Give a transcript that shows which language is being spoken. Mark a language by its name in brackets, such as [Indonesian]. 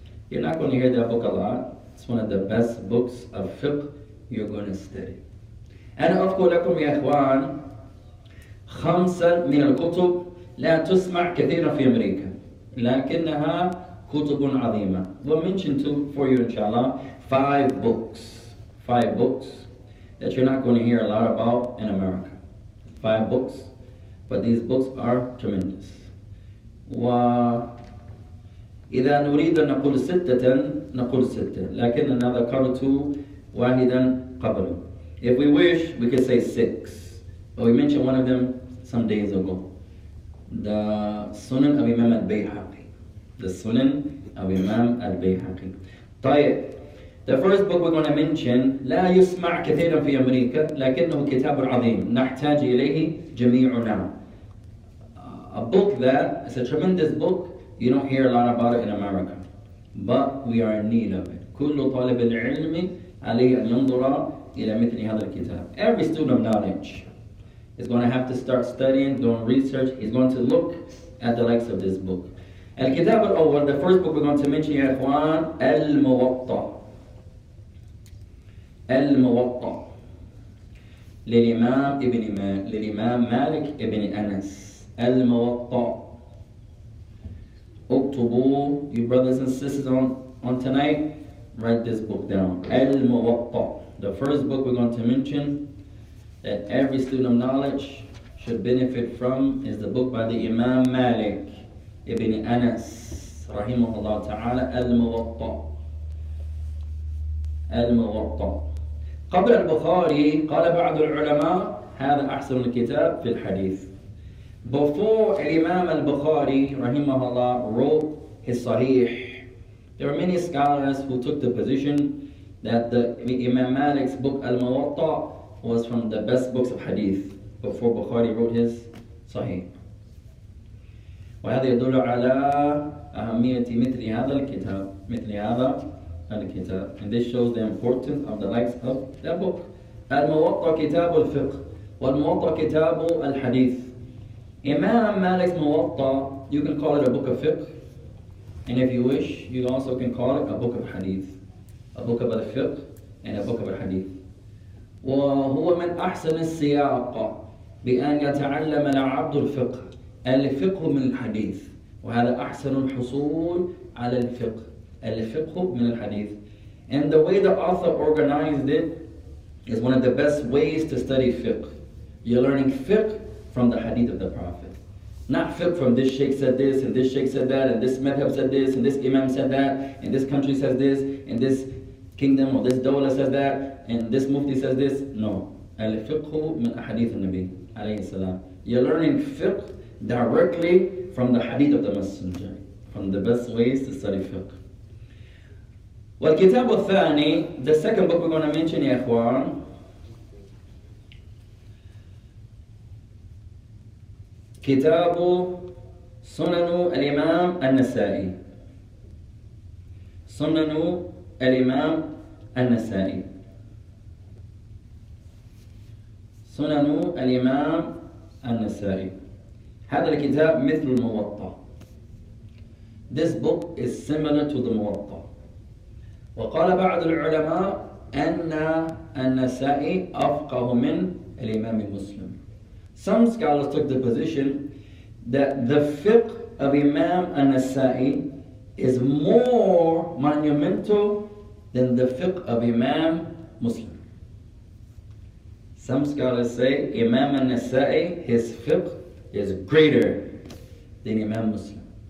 [English] You're not going to hear that book a lot. It's one of the best books of fiqh you're going to study. [Arabic] أنا أقول لكم يا أخوان خمسة من الكتب لا تسمع كثيرا في أمريكا لكنها كتب عظيمة. [English] We'll mention two for you inshallah. Five books that you're not going to hear a lot about in America. Five books, but these books are tremendous. [Arabic] وإذا نريد أن نقول ستة نقول ستة لكننا ذكرت واحدا قبل. [English] If we wish, we could say six. But we mentioned one of them some days ago. The Sunan of Imam al-Bayhaqi. The Sunan of Imam al-Bayhaqi. [Arabic] طيب. [English] The first book we're going to mention, [Arabic] لا يسمع كثيرا في أمريكا لكنه كتاب عظيم نحتاج إليه جميعنا. [English] A book that is a tremendous book, you don't hear a lot about it in America. But we are in need of it. [Arabic] كل طالب العلم عليه أن ينظر إلى مثل هذا الكتاب. [English] Every student of knowledge is going to have to start studying, doing research. He's going to look at the likes of this book. [Arabic] الكتاب الأول, [English] the first book we're going to mention, [Arabic] يا إخوان, [English] الموطأ. [Arabic] الموطأ للإمام ابن للإمام مالك ابن أنس. الموطأ اكتبوا, [English] you brothers and sisters on tonight, write this book down. الموطأ, the first book we're going to mention that every student of knowledge should benefit from is the book by the Imam مالك ابن أنس [Arabic] رحمه الله تعالى. الموطأ الموطأ قبل البخاري قال بعض العلماء هذا أحسن الكتاب في الحديث. [English] Before الإمام البخاري [Arabic] رحمه الله [English] wrote his صحيح, there are many scholars who took the position that the Imam Malik's book الموطأ was from the best books of hadith before Bukhari wrote his صحيح. [Arabic] وهذا يدل على أهمية مثل هذا الكتاب مثل هذا. [English] And this shows the importance of the likes of that book. [Arabic] الموطأ كتاب الفقه والموطأ كتاب الحديث. [English] Imam Malik's موطأ, you can call it a book of fiqh. And if you wish, you also can call it a book of hadith. A book of al-fiqh and a book of al-hadith. [Arabic] وهو من أحسن السياق بأن يتعلم العبد الفقه. الفقه من الحديث. وهذا أحسن الحصول على الفقه. الفقه من الحديث. [English] And the way the author organized it is one of the best ways to study fiqh. You're learning fiqh from the hadith of the Prophet. Not fiqh from this sheikh said this, and this sheikh said that, and this madhab said this, and this imam said that, and this country says this, and this kingdom or this dawla says that, and this mufti says this. No. [Arabic] Al-fiqhu min ahadith al-Nabi alayhi salam. [English] You're learning fiqh directly from the hadith of the Messenger. From the best ways to study fiqh. [Arabic] والكتاب الثاني, [English] the second book we're going to mention, [Arabic] يا إخوان, كتاب سنن الإمام النسائي. سنن الإمام النسائي. سنن الإمام النسائي. هذا الكتاب مثل الموطأ. [English] This book is similar to the موطأ. [Arabic] وقال بعض العلماء أن النسائي أفقه من الإمام المسلم. [English] Some scholars took the position that the fiqh of Imam النسائي is more monumental than the fiqh of Imam Muslim. Some scholars say Imam النسائي, his fiqh is greater than Imam Muslim.